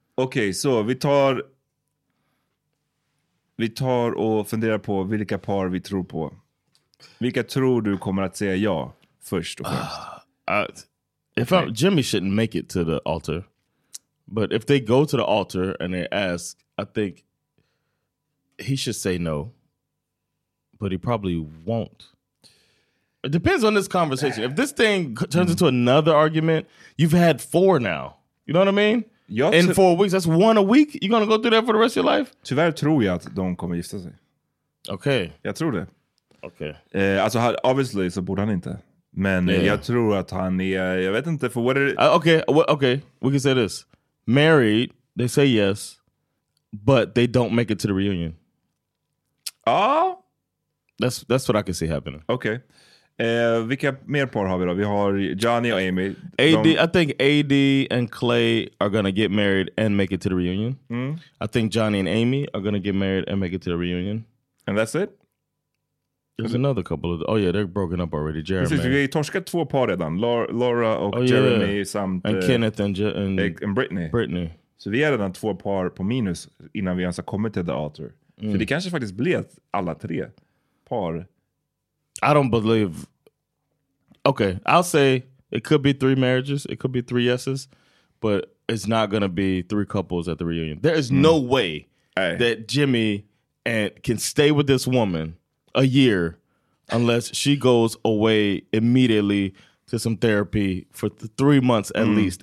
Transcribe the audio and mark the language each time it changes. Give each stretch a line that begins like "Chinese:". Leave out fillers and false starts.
Swedish: Okay, so vi tar och funderar på vilka par vi tror på. Vilka tror du kommer att säga ja först och främst?
English: Jimmy shouldn't make it to the altar. But if they go to the altar and they ask, I think he should say no. But he probably won't. It depends on this conversation. If this thing turns into another argument, you've had four now. You know what I mean? In 4 weeks, that's one a week? You're going to go through that for the rest of your life?
Swedish: Tyvärr tror jag att de kommer gifta sig.
English: Okay.
Swedish: Jag tror det.
English: Okay.
Swedish: Alltså, obviously så borde han inte. Men jag tror att han är, jag vet inte, för what it...
English: Okay, we can say this. Married, they say yes, but they don't make it to the reunion. Oh? That's what I can see happening. Okay.
Swedish: Vilka mer par har vi då? Vi har Johnny och Amy.
English: I think AD and Clay are going to get married and make it to the reunion. Mm. I think Johnny and Amy are going to get married and make it to the reunion. And that's it? There's another couple. They're broken up already. Jeremy.
Swedish: Precis, vi torskat två par redan. Laura och Jeremy. Yeah.
English: And Kenneth and Brittany. Brittany.
Swedish: Så vi är redan två par på minus innan vi ens har kommit till the altar. Mm. För det kanske faktiskt blir alla tre par.
English: I don't believe. Okay, I'll say it could be three marriages. It could be three yeses. But it's not going to be three couples at the reunion. There is no way that Jimmy can stay with this woman a year unless she goes away immediately to some therapy for 3 months at least.